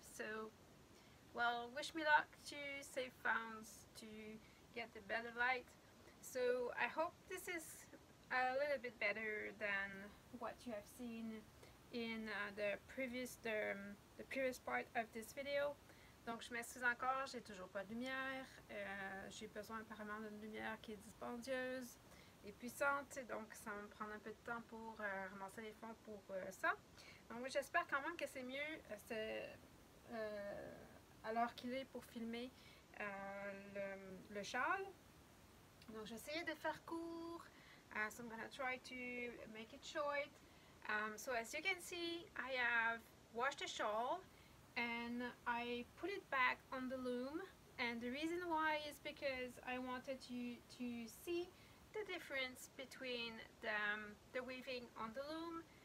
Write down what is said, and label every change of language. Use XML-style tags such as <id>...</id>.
<en>So, well, wish me luck to save funds to get the better light. So I hope this is a little bit better than what you have seen in the previous part of this video.</en> <fr>Donc je m'excuse encore, j'ai toujours pas de lumière. J'ai besoin apparemment d'une lumière qui est dispendieuse et puissante, donc ça va me prendre un peu de temps pour ramasser les fonds pour ça. Donc j'espère quand même que c'est mieux à l'heure qu'il est pour filmer le châle. Donc j'essayais de faire court.</fr> <en>So I'm gonna try to make it short. So as you can see, I have washed the shawl and I put it back on the loom. And the reason why is because I wanted you to see the difference between the weaving on the loom.</en>